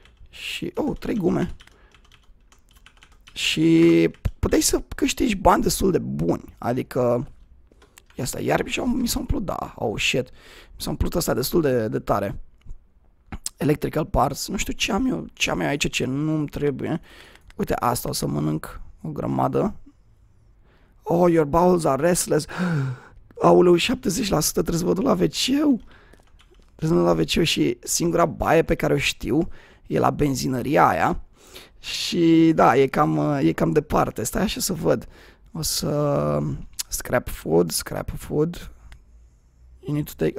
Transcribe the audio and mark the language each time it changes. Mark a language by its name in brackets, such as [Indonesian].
[Romanian] Și, trei gume. Și puteai să câștigi bani destul de buni. Adică, ia stai, iar mi s-a umplut, da, [English] oh shit. [Romanian] Mi s-a umplut ăsta destul de tare. Electrical parts, nu știu ce am eu aici, ce nu-mi trebuie. Uite, asta o să mănânc o grămadă. [English] Oh, your bowels are restless. [Romanian] Aoleu, 70% trebuie să mă duc la WC-ul. Trebuie să mă duc la WC-ul și singura baie pe care o știu e la benzinăria aia. Și da, e cam departe. Stai așa să văd. O să... [English] Scrap food. You need to take...